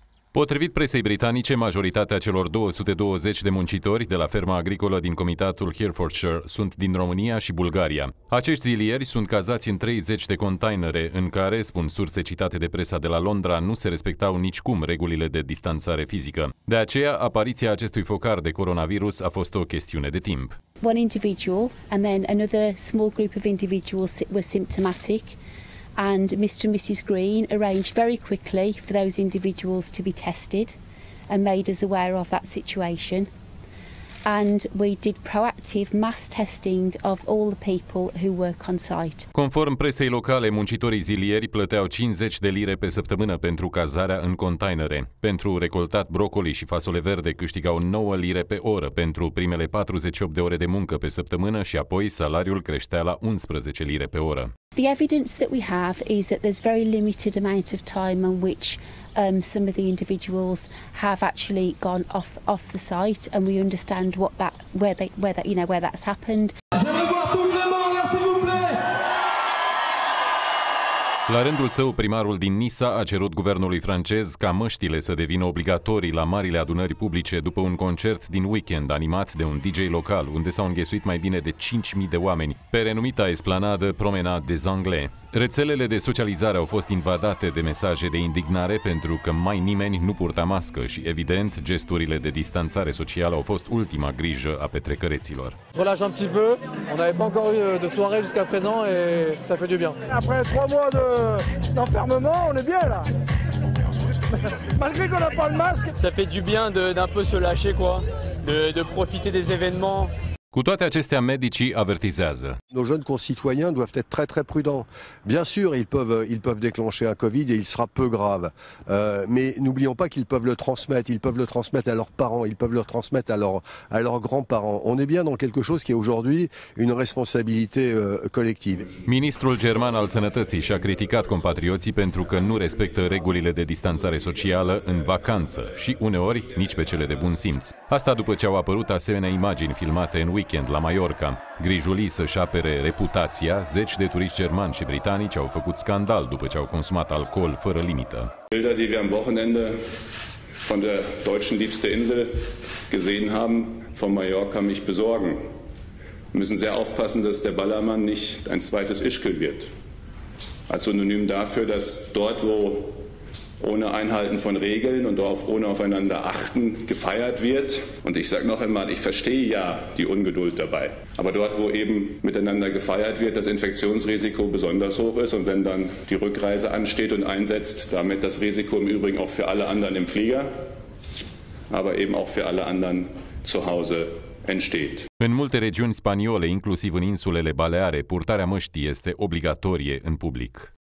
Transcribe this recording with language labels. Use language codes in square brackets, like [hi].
[ro] Potrivit presei britanice, majoritatea celor 220 de muncitori de la ferma agricolă din comitatul Herefordshire sunt din România și Bulgaria. Acești zilieri sunt cazați în 30 de containere în care, spun surse citate de presa de la Londra, nu se respectau nicicum regulile de distanțare fizică. De aceea, apariția acestui focar de coronavirus a fost o chestiune de timp. [en] One individual and then another small group of individuals were symptomatic. And Mr. and Mrs. Green arranged very quickly for those individuals to be tested and made us aware of that situation. And we did proactive mass testing of all the people who work on site. [ro] Conform presei locale, muncitorii zilieri plăteau 50 de lire pe săptămână pentru cazarea în containere. Pentru recoltat brocoli și fasole verde câștigau 9 lire pe oră pentru primele 48 de ore de muncă pe săptămână și apoi salariul creștea la 11 lire pe oră. [en] The evidence that we have is that there's very limited amount of time in which some of the individuals have actually gone off the site, and we understand where that's happened. [ro] La rândul său, primarul din Nisa a cerut guvernului francez ca măștile să devină obligatorii la marile adunări publice după un concert din weekend animat de un DJ local, unde s-au înghesuit mai bine de 5.000 de oameni, pe renumita esplanadă Promenade des Anglais. Rețelele de socializare au fost invadate de mesaje de indignare pentru că mai nimeni nu purta mască și, evident, gesturile de distanțare socială au fost ultima grijă a petrecăreților. [fr] Relâche un petit peu. On avait pas encore eu de soirée jusqu'à présent et ça fait du bien. Après 3 mois d'enfermement, on est bien là. Malgré qu'on n'a pas le masque, ça fait du bien d'un peu se lâcher quoi, de profiter des événements. [ro] Cu toate acestea, medicii avertizează. [fr] Nos jeunes concitoyens doivent être très très prudents. Bien sûr, ils peuvent déclencher un Covid et il sera peu grave. Mais n'oublions pas qu'ils peuvent le transmettre. Ils peuvent le transmettre à leurs parents, ils peuvent le transmettre à leurs grands-parents. On est bien dans quelque chose qui est aujourd'hui une responsabilité collective. [ro] Ministrul german al sănătății și-a criticat compatrioții pentru că nu respectă regulile de distanțare socială în vacanță și uneori nici pe cele de bun simț. Asta după ce au apărut asemenea imagini filmate în weekend la Mallorca. Grijulii să-și apere reputația, zeci de turiști germani și britanici au făcut scandal după ce au consumat alcool fără limită. [de] Bilder, die wir am Wochenende von der deutschen liebste Insel gesehen haben, von Mallorca mich besorgen. Müssen sehr aufpassen, dass der Ballermann nicht ein zweites Ischgl wird. Als Synonym dafür, dass dort, wo ohne Einhalten von Regeln und darauf ohne aufeinander achten, gefeiert wird. Und ich sage noch einmal, ich verstehe ja die Ungeduld dabei. Aber dort, wo eben miteinander gefeiert wird, das Infektionsrisiko besonders hoch ist und wenn dann die Rückreise ansteht und einsetzt, damit das Risiko im Übrigen auch für alle anderen im Flieger, aber eben auch für alle anderen zu Hause entsteht. [ro] În multe regiuni spaniole, inclusiv în insulele Baleare, purtarea măștii este obligatorie în public.